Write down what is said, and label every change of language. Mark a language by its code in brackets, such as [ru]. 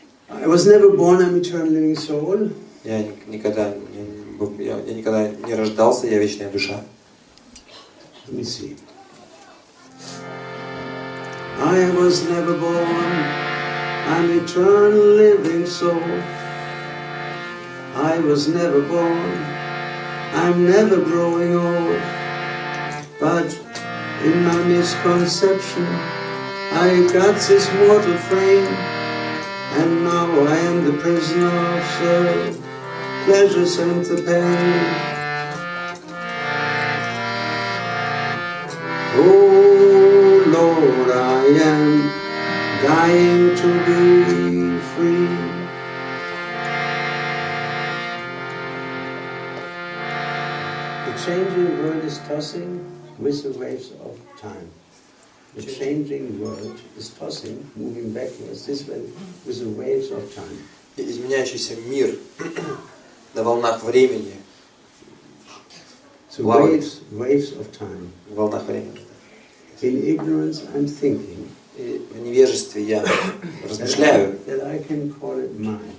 [en] I was never born, I'm eternal living soul. [ru] Я никогда не рождался, я вечная душа. [en] Let me see. I was never born, I'm eternal living soul. I was never born, I'm never growing old. But in my misconception, I got this mortal frame. And now I am the prisoner of the pleasures and the pain. Oh Lord, I am dying to be free. The changing world is tossing with the waves of time. The changing world is tossing, moving backwards this way with the waves of time. [ru] Изменяющийся мир на волнах времени. [en] So waves of time. [ru] Волнах времени. [en] In ignorance I'm thinking. [ru] В невежестве я размышляю. [en] That I can call it mine.